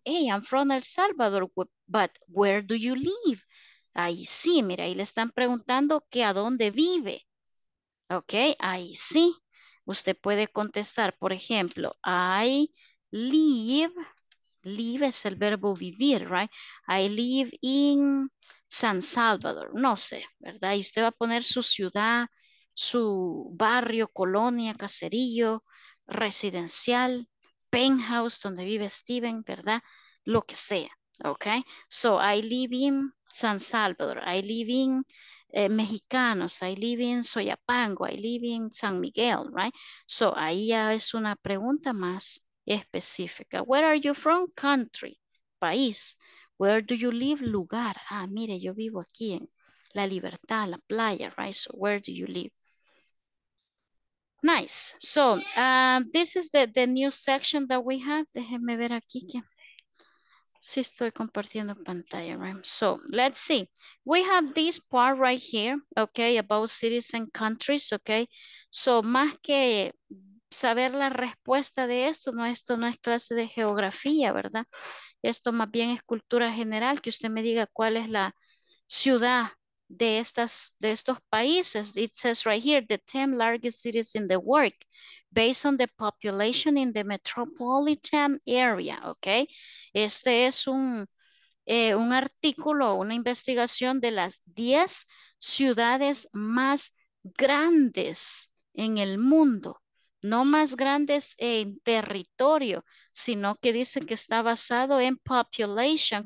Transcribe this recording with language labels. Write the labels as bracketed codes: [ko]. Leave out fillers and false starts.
[en] Hey, I'm from El Salvador, but where do you live? [es] Ahí sí, mira, ahí le están preguntando que a dónde vive. Ok, ahí sí. Usted puede contestar, por ejemplo, [en] I live, [es] live es el verbo vivir, right? [en] I live in San Salvador, [es] no sé, ¿verdad? Y usted va a poner su ciudad, su barrio, colonia, caserío, residencial, penthouse, donde vive Steven, ¿verdad? Lo que sea, [en] ¿ok? So, I live in San Salvador, I live in Mexicanos, I live in Soyapango, I live in San Miguel, ¿right? [es] So, ahí ya es una pregunta más específica. [en] Where are you from? Country, país. Where do you live? Lugar. [es] Ah, mire, yo vivo aquí en La Libertad, la playa, right? [en] So, where do you live? Nice. So, this is the new section that we have. [es] Déjenme ver aquí que sí estoy compartiendo pantalla, right? [en] So, let's see. We have this part right here, okay, about cities and countries, okay? [es] So, más que saber la respuesta de esto no es clase de geografía, ¿verdad? Esto más bien es cultura general, que usted me diga cuál es la ciudad de, estas, de estos países. [en] It says right here, the 10 largest cities in the world, based on the population in the metropolitan area, ¿ok? [es] Este es un artículo, una investigación de las 10 ciudades más grandes en el mundo. No más grandes en territorio, sino que dicen que está basado en population.